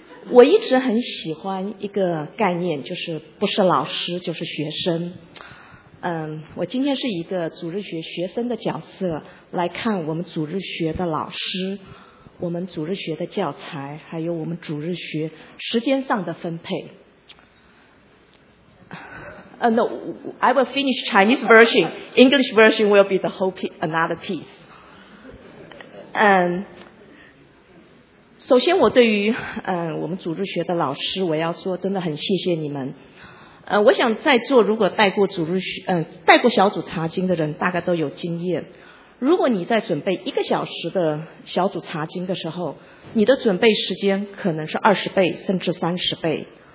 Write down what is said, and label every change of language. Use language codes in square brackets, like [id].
[zh] 我一直很喜欢一个概念，就是不是老师就是学生。我今天是一个主日学学生的角色来看我们主日学的老师，我们主日学的教材，还有我们主日学时间上的分配。 [en] No, I will finish Chinese version. English version will be the whole another piece. [zh] 首先我对于我们主日学的老师，我要说真的很谢谢你们。我想在座如果带过主日学带过小组查经的人大概都有经验，如果你在准备一个小时的小组查经的时候，你的准备时间可能是20倍甚至30倍。